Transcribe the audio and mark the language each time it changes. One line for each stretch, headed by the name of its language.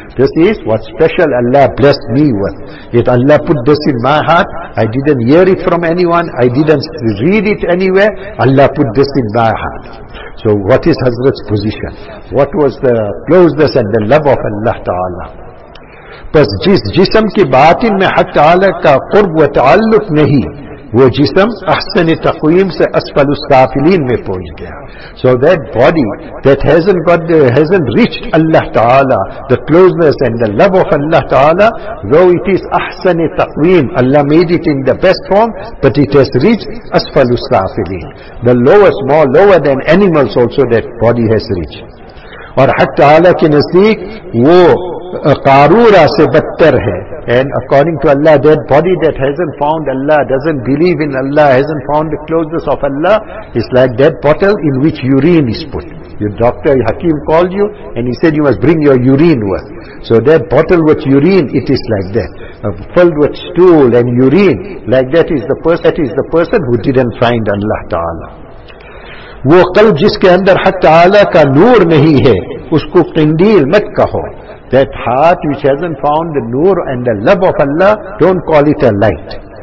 English: This is what special Allah blessed me with. Yet Allah put this in my heart. I didn't hear it from anyone. I didn't read it anywhere. Allah put this in my heart. So what is Hazrat's position? What was the closeness and the love of Allah Ta'ala?
Urdu: پس جس جسم کی باطن میں حق تعالی کا قرب و تعلق نہیں, وہ جسم احسن تقویم سے اسفل السافلین میں پہنچ گیا.
English: So that body that hasn't reached Allah Ta'ala, the closeness and the love of Allah Ta'ala, though it is احسن تقویم, Allah made it in the best form, but it has reached اسفل السافلین, the lowest, more lower than animals also that body has reached.
Urdu: اور حق تعالی کے نزدیک وہ قارورہ سے بدتر ہے.
English: And according to Allah, that body that hasn't found Allah, doesn't believe in Allah, hasn't found the closeness of Allah, is like that bottle in which urine is put. Your doctor, your Hakim called you and he said you must bring your urine with. So that bottle with urine, it is like that. Filled with stool and urine, like that is the person, that is the person who didn't find Allah Ta'ala.
Urdu: وہ قلب جس کے اندر حق تعالی کا نور نہیں ہے اس کو قندیل مت کہو.
English: That heart which hasn't found the noor and the love of Allah, don't call it a light.